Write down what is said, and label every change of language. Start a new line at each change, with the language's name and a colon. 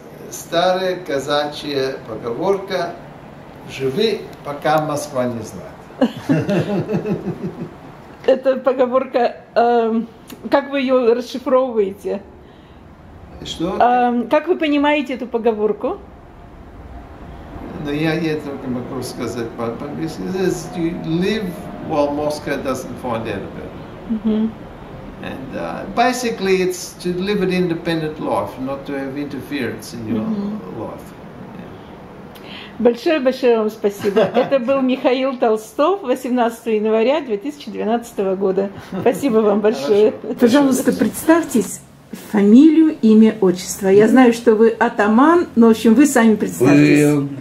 Russian: Старая казачья поговорка: «Живи, пока Москва не знает». Это поговорка, как вы ее расшифровываете? Что? Как вы понимаете эту поговорку? Но я не только могу сказать по-английски.
English: Live while Moscow doesn't find out about it. Mm-hmm. And basically, it's to live an independent life, not to have interference in your mm-hmm. life.
Russian: Большое-большое вам спасибо. Это был Михаил Толстов, 18 января 2012 года. Спасибо вам большое. Пожалуйста, представьтесь. Фамилию, имя, отчество. Я знаю, что вы атаман, но, в общем, вы сами представьтесь.